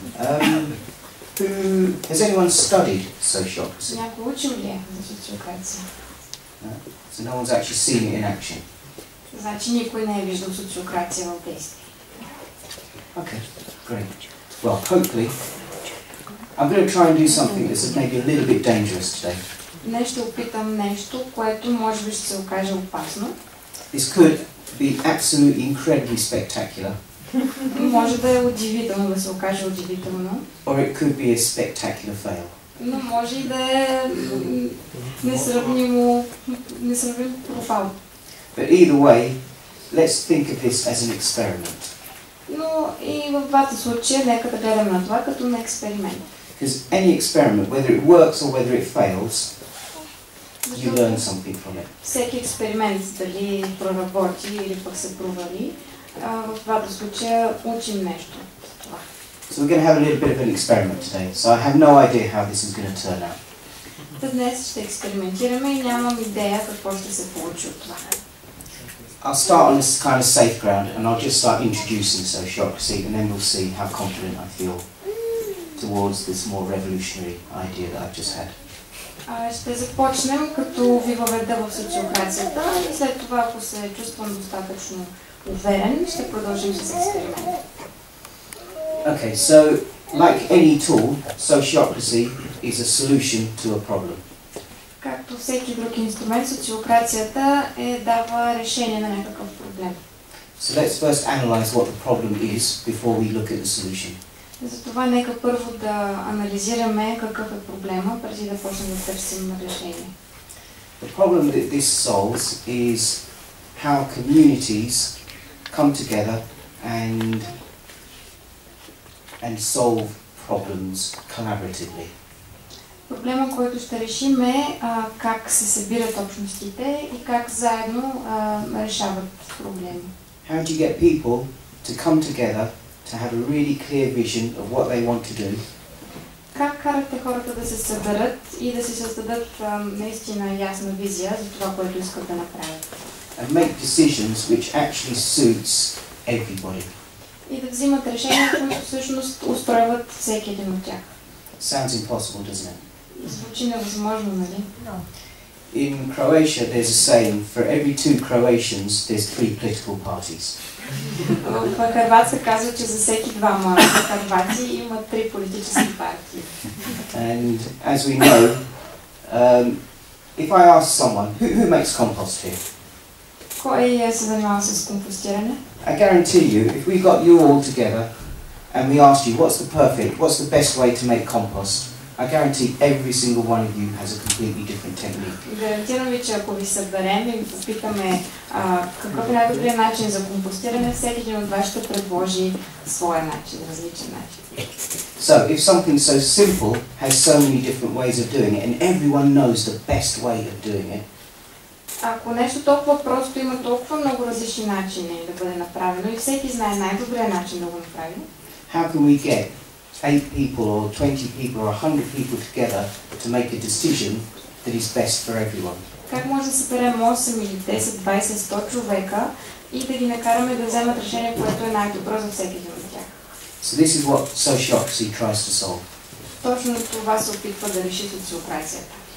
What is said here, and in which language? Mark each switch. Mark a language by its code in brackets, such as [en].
[en] Has anyone studied sociocracy? [bg] Някой учил ли е за социокрация? [en] So, no one's actually seen it in action. [bg] Значи никой не е виждал социокрация в действие. [en] Okay, great. Well, hopefully, I'm going to try and do something that's maybe a little bit dangerous today. [bg] Днес ще опитам нещо, което може би ще се окаже опасно. [en] This could be absolutely incredibly spectacular. [bg] Може да е удивително, да се окаже удивително. [en] Or it could be a spectacular fail. [bg] Но може и да е несравним провал. [en] But either way, let's think of this as an experiment. [bg] Но и в двата случая, нека да гледаме на това като на експеримент. [en] Because any experiment, whether it works or whether it fails, you learn something from it. [bg] Всеки експеримент, дали проработи или пък се провали, в двата случая учим нещо. [en] So we're going to have a little bit of an experiment today. So I have no idea how this is going to turn out. [bg] Днес ще експериментираме и нямам идея какво ще се получи от това. [en] I'll start on this kind of safe ground and I'll just start introducing sociocracy and then we'll see how confident I feel towards this more revolutionary idea that I've just had. [bg] Ще започнем като ви въведа в социокрацията и след това, ако се чувствам достатъчно уверен, ще продължим с експеримента. [en] Okay, so like any tool, sociocracy is a solution to a problem. [bg] Както всеки друг инструмент, социокрацията дава решение на някакъв проблем. [en] So let's first analyze what the problem is before we look at the solution. [bg] Затова нека първо да анализираме какъв е проблема, преди да почнем да търсим на решение. [en] The problem that this solves is how communities come together and solve problems collaboratively. [bg] Проблема, който ще решим е как се събират общностите и как заедно решават проблеми. [en] How do you get people to come together to have a really clear vision of what they want to do? [bg] Как карате хората да се съберат и да си създадат наистина ясна визия за това, което искат да направят? [en] And make decisions which actually suits everybody. [bg] И да взимат решения, които всъщност устройват всеки един от тях. [en] Sounds impossible, doesn't it? [bg] Звучи невъзможно, нали? [en] No. In Croatia there's a saying, for every two Croatians there's three political parties. [bg] В Хърватска казва, че за всеки двама хървати има три политически партии. [en] And as we know, if I ask someone, who makes compost here? [bg] Кой е занимава с компостиране? [en] I guarantee you, if we got you all together and we asked you what's the best way to make compost, I guarantee every single one of you has a completely different technique. [bg] Гарантирам ви, че ако ви съберем и попитаме какъв е най-добрият начин за компостиране, всеки един от вас ще предложи своя начин, различен начин. [en] So if something so simple has so many different ways of doing it and everyone knows the best way of doing it. [bg] Ако нещо толкова просто има толкова много различни начини да бъде направено и всеки знае най-добрия начин да го направи. [en] How can we get 8 people or 20 people or 100 people together to make a decision that is best for everyone? [bg] Как може да съберем 8 или 10, 20, 100 човека и да ги накараме да вземат решение, което е най-добро за всеки един от тях? [en] So this is what sociocracy tries to solve. [bg] Точно това се опитва да реши социокрацията.